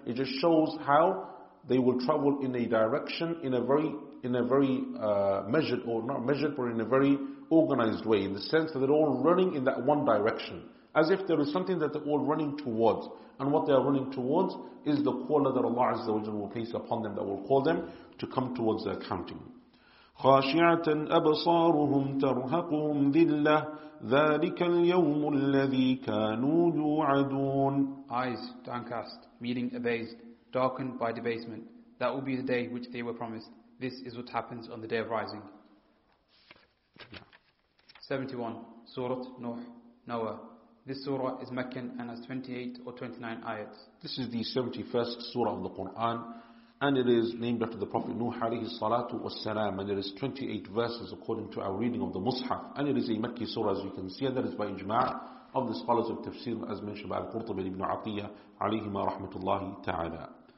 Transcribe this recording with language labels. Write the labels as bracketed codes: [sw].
[en] It just shows how they will travel in a direction in a very organized way, in the sense that they're all running in that one direction, as if there is something that they're all running towards. And what they are running towards is the caller that Allah Azza wa Jalla will place upon them, that will call them to come towards their counting. [ar] خاشعة أبصارهم ترهقهم ذلة ذلك اليوم الذي كانوا يوعدون. [en] Eyes downcast, meaning abased, darkened by debasement. That will be the day which they were promised. This is what happens on the day of rising. 71. Surah Nuh, Noah. This surah is Meccan and has 28 or 29 ayats. This is the 71st surah of the Quran, and it is named after the Prophet Nuh alayhi salatu wassalam, and it is 28 verses according to our reading of the Mus'haf, and it is a Makki surah, as you can see, and that is by ijma' of the scholars of tafsir, as mentioned by Al-Qurtubi ibn Atiyah alayhima rahmatullahi ta'ala.